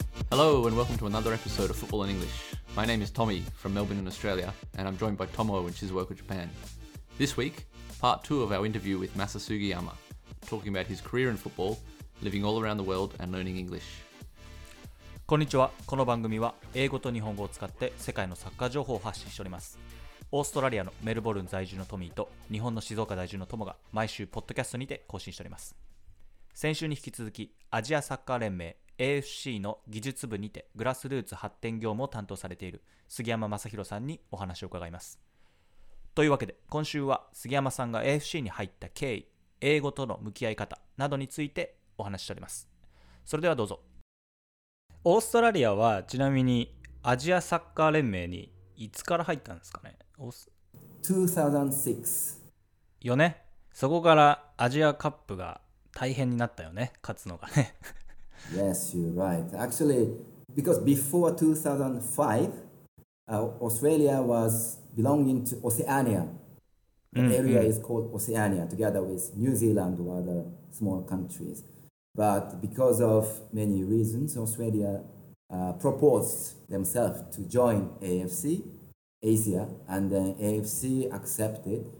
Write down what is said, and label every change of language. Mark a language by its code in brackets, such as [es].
[en] Hello and welcome to another episode of Football in English. My name is Tommy from Melbourne in Australia and I'm joined by Tomo in Shizuoka, Japan. This week, part two of our interview with Masa Sugiyama, talking about his career in football, living all around the world and learning English. [ja] こんにちは。この番組は英語と日本語を使って世界のサッカー情報を発信しております。オーストラリアのメルボルン在住のトミーと日本の静岡在住のトモが毎週ポッドキャストにて更新しております。先週に引き続きアジアサッカー連盟AFC の技術部にてグラスルーツ発展業務を担当されている椙山正弘さんにお話を伺います。というわけで今週は椙山さんがAFCに入った経緯、英語との向き合い方などについてお話しております。それではどうぞ。オーストラリアはちなみにアジアサッカー連盟にいつから入ったんですかね。 2006 よね。そこからアジアカップが大変になったよね、勝つのがね。 [en] Yes, you're right. Actually, because before 2005, Australia was belonging to Oceania. The area is called Oceania, together with New Zealand or other small countries. But because of many reasons, Australia proposed themselves to join AFC, Asia, and then AFC accepted.